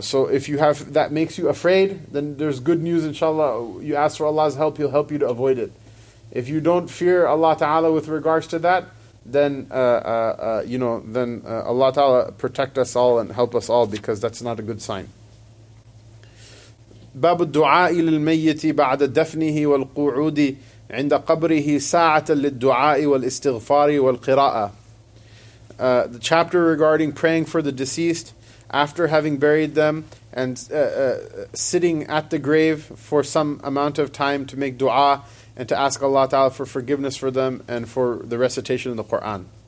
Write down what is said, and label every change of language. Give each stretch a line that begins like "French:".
English: So if you have that makes you afraid, then there's good news, inshallah. You ask for Allah's help, He'll help you to avoid it. If you don't fear Allah Ta'ala with regards to that, then Allah Ta'ala protect us all and help us all, because that's not a good sign.
Arabic: باب الدعاء للميت بعد دفنه والقعود عند قبره ساعة للدعاء والاستغفار والقراءة.
English: The chapter regarding praying for the deceased after having buried them, and sitting at the grave for some amount of time to make dua and to ask Allah Ta'ala for forgiveness for them and for the recitation of the Qur'an.